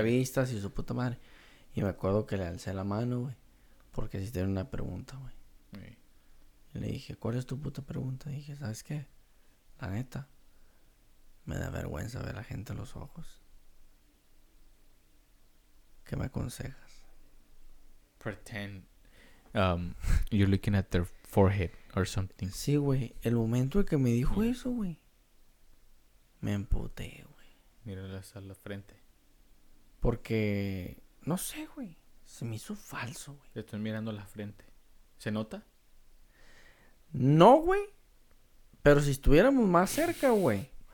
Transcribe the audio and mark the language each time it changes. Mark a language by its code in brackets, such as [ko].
[es] entrevistas y su puta madre. Y me acuerdo que le alcé la mano, güey. Porque si tiene una pregunta, güey. Y le dije, ¿cuál es tu puta pregunta? Y dije, ¿sabes qué? La neta. Me da vergüenza ver a la gente a los ojos. ¿Qué me aconsejas? [en] Pretend, you're looking at their forehead or something. [es] Sí, güey. El momento en que me dijo eso, güey. Me emputé, güey. Mírales a la frente. Porque, no sé, güey. Se me hizo falso, güey. Le estoy mirando a la frente. ¿Se nota? No, güey. Pero si estuviéramos más cerca, güey.